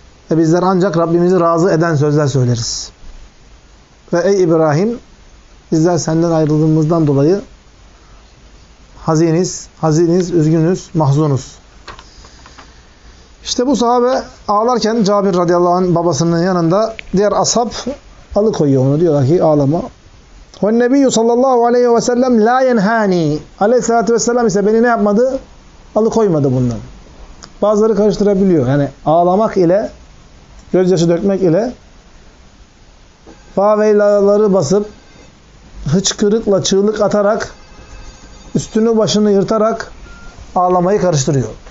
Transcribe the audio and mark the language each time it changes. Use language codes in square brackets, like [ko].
[tr] Ve bizler ancak Rabbimizi razı eden sözler söyleriz. Ve ey İbrahim, bizler senden ayrıldığımızdan dolayı haziniz, üzgünüz, mahzunuz. İşte bu sahabe ağlarken Cabir radıyallahu anh babasının yanında, diğer ashab alıkoyuyor onu, diyorlar ki ağlama. [ar] وَالنَّبِيُّ صَلَّ اللّٰهُ عَلَيْهِ وَسَلَّمْ لَا يَنْهَانِي [tr] Aleyhissalatü vesselam ise beni ne yapmadı? Alıkoymadı bundan. Bazıları karıştırabiliyor. Yani ağlamak ile, gözyaşı dökmek ile faveylaları basıp hıçkırıkla çığlık atarak üstünü başını yırtarak ağlamayı karıştırıyor.